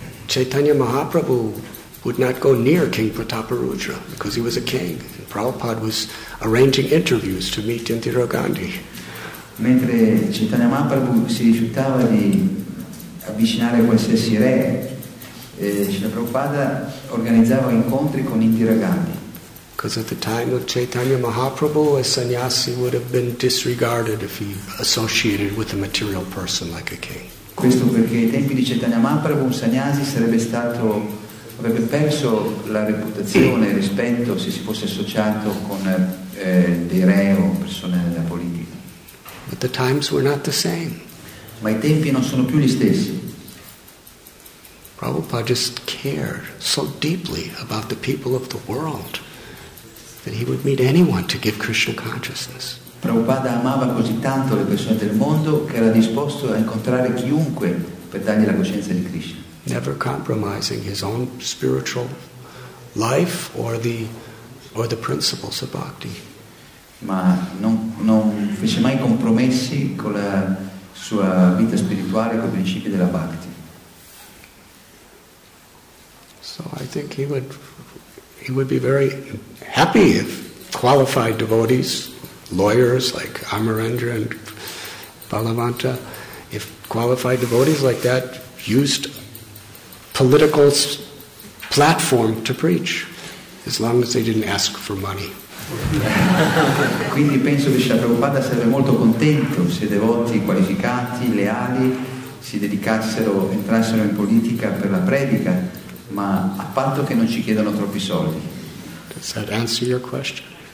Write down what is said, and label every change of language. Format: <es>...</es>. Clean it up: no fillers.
<en>Chaitanya Mahaprabhu would not go near King Prataparudra because he was a king. And Prabhupada was arranging interviews to meet Indira Gandhi.</en> <it>Mentre Chaitanya Mahaprabhu si rifiutava di avvicinare qualsiasi re, Srila Prabhupada organizzava incontri con Indira Gandhi.</it> <en>Because at the time of Chaitanya Mahaprabhu, a sannyasi would have been disregarded if he associated with a material person like a king.</en> <it>Questo perché ai tempi di Chaitanya Mahaprabhu un sannyasi sarebbe stato, avrebbe perso la reputazione, il rispetto se si fosse associato con dei re o persone della politica.</it> <en>But the times were not the same.</en> <it>Ma i tempi non sono più gli stessi.</it> <en>Prabhupada just cared so deeply about the people of the world that he would meet anyone to give Krishna consciousness.</en> <it>Prabhupada amava così tanto le persone del mondo che era disposto a incontrare chiunque per dargli la coscienza di Krishna.</it> <en>Never compromising his own spiritual life or the principles of bhakti.</en> <it>Ma non fece mai compromessi con la sua vita spirituale, con i principi della bhakti.</it> <en>So I think he would be very happy if qualified devotees, lawyers like Amarendra and Balavanta, if qualified devotees like that used political platform to preach, as long as they didn't ask for money.</en> <it>Quindi penso che Srila Prabhupada sarebbe molto contento se devoti qualificati, leali, si dedicassero, entrassero in politica per la predica, ma a patto che non ci chiedano troppi soldi.</it> <en>Does that answer your question?</en>